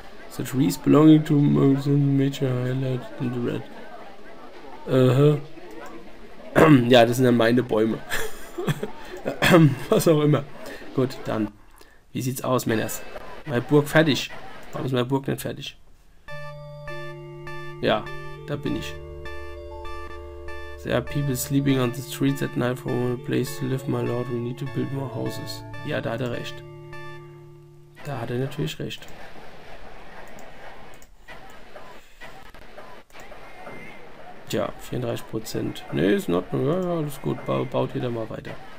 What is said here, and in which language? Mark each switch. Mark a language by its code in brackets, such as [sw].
[en] The trees belonging to major highlight in the red. [de] Ja, das sind dann meine Bäume. Was auch immer. Gut, dann. Wie sieht's aus, Männers? Meine Burg fertig. Warum ist meine Burg nicht fertig? Ja, da bin ich. [en] There are people sleeping on the streets at night for a place to live, my lord. We need to build more houses. [de] Ja, da hat er recht. Da hat er natürlich recht. Ja, 34%. Nee, ist in Ordnung. Ja, alles gut. Baut jeder mal weiter.